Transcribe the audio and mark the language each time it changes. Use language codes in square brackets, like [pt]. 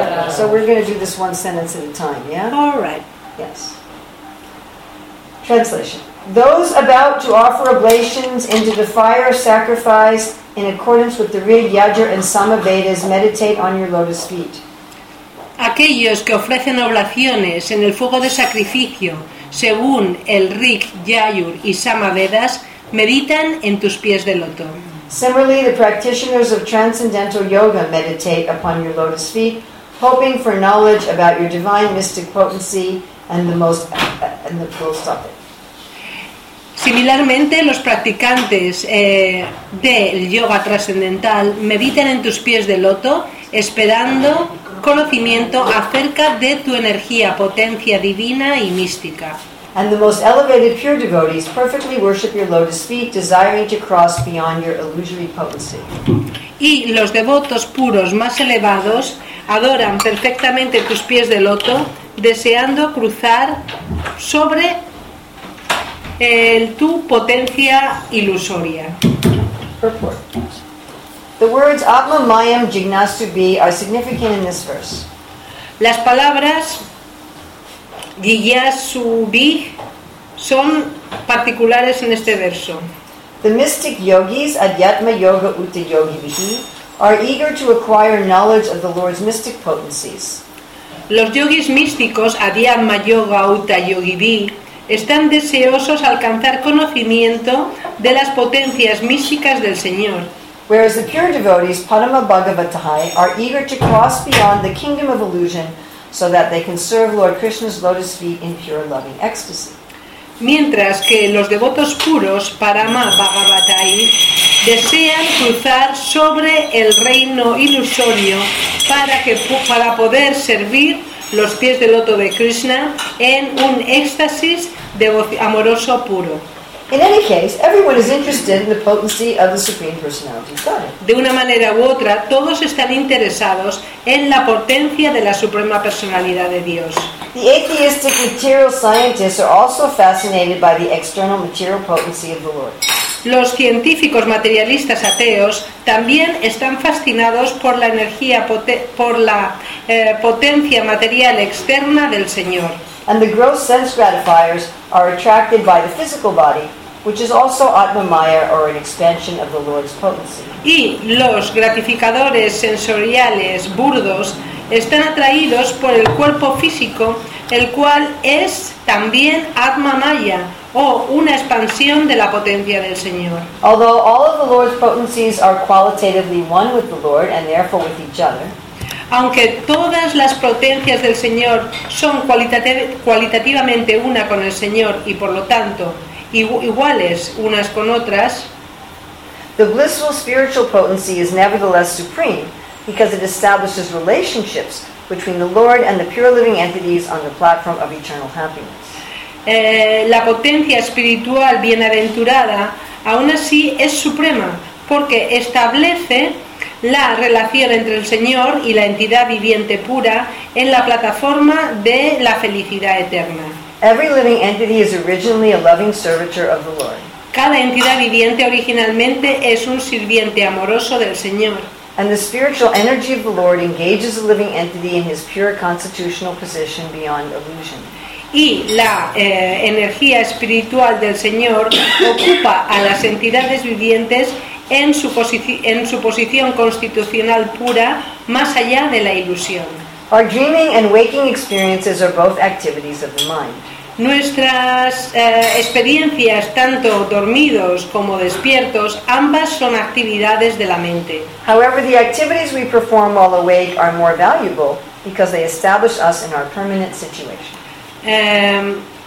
[en] So we're going to do this one sentence at a time, yeah? All right. Yes. Translation. Those about to offer oblations into the fire sacrifice in accordance with the Rig Yajra and Samavedas meditate on your lotus feet. [es] Aquellos que ofrecen oblaciones en el fuego de sacrificio según el Rig Yajur y Samavedas meditan en tus pies de loto. [en] Similarly, the practitioners of transcendental yoga meditate upon your lotus feet, hoping for knowledge about your divine mystic potency and the most and the full stop it. [es] Similarmente, los practicantes del yoga trascendental meditan en tus pies de loto, esperando conocimiento acerca de tu energía, potencia divina y mística. [en] And the most elevated pure devotees perfectly worship your lotus feet, desiring to cross beyond your illusory potency. [es] Y los devotos puros más elevados adoran perfectamente tus pies de loto, deseando cruzar sobre tu potencia ilusoria. [en] Purport. The words Atma Mayam Jignasubhi are significant in this verse. [es] Las palabras Jignasubhi son particulares en este verso. [en] The mystic yogis Adhyatma Yoga Uta Yogibhi are eager to acquire knowledge of the Lord's mystic potencies. [es] Los yogis místicos Adhyatma Yoga Uta Yogibhi están deseosos alcanzar conocimiento de las potencias místicas del Señor. [en] Whereas the pure devotees, Padma Bhagavatai, are eager to cross beyond the kingdom of illusion so that they can serve Lord Krishna's lotus feet in pure loving ecstasy. [es] Mientras que los devotos puros, Padma Bhagavatai, desean cruzar sobre el reino ilusorio para poder servir los pies del loto de Krishna en un éxtasis amoroso puro. [en] In any case, everyone is interested in the potency of the Supreme Personality of Godhead. [es] De una manera u otra, todos están interesados en la potencia de la Suprema Personalidad de Dios. [en] The atheistic material scientists are also fascinated by the external material potency of the Lord. [es] Los científicos materialistas ateos también están fascinados por la energía potencia material externa del Señor. [en] And the gross sense gratifiers are attracted by the physical body, which is also Atma Maya or an expansion of the Lord's potency. [es] Y los gratificadores sensoriales burdos están atraídos por el cuerpo físico, el cual es también Atma Maya o una expansión de la potencia del Señor. [en] Although all of the Lord's potencies are qualitatively one with the Lord and therefore with each other. [es] Aunque todas las potencias del Señor son cualitativamente una con el Señor y por lo tanto iguales unas con otras, [en] the blissful spiritual potency is nevertheless supreme because it establishes relationships between the Lord and the pure living entities on the platform of eternal happiness. [es] La potencia espiritual bienaventurada aún así es suprema porque establece la relación entre el Señor y la entidad viviente pura en la plataforma de la felicidad eterna. [en] Every living entity is originally a loving servitor of the Lord. [es] Cada entidad viviente originalmente es un sirviente amoroso del Señor. [en] And the spiritual energy of the Lord engages the living entity in his pure constitutional position beyond illusion. [es] Y la energía espiritual del Señor ocupa a las entidades vivientes en su posición constitucional pura más allá de la ilusión. [en] Our dreaming and waking experiences are both activities of the mind. [es] Nuestras experiencias, tanto dormidos como despiertos, ambas son actividades de la mente. [en] However, the activities we perform while awake are more valuable because they establish us in our permanent situation.